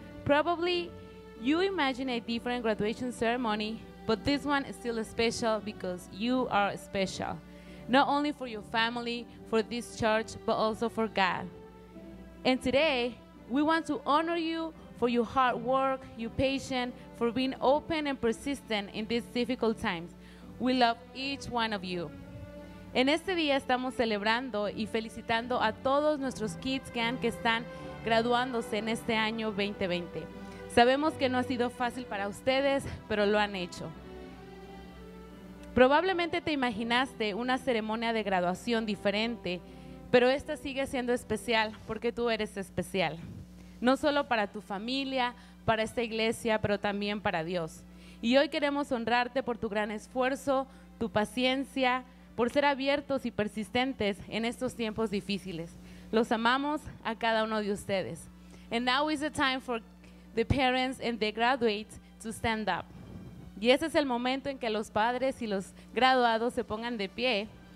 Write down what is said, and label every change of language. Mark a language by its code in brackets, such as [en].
[en] Probably you imagine a different graduation ceremony, but this one is still special because you are special. Not only for your family, for this church, but also for God. And today, we want to honor you for your hard work, your patience, for being open and persistent in these difficult times. We love each one of you. [es] En este día estamos celebrando y felicitando a todos nuestros kids que están graduándose en este año 2020. Sabemos que no ha sido fácil para ustedes, pero lo han hecho. Probablemente te imaginaste una ceremonia de graduación diferente, pero esta sigue siendo especial porque tú eres especial. No solo para tu familia, para esta iglesia, pero también para Dios. Y hoy queremos honrarte por tu gran esfuerzo, tu paciencia, por ser abiertos y persistentes en estos tiempos difíciles. Los amamos a cada uno de ustedes. [en] And now is the time for the parents and the graduates to stand up. [es] Y ese es el momento en que los padres y los graduados se pongan de pie.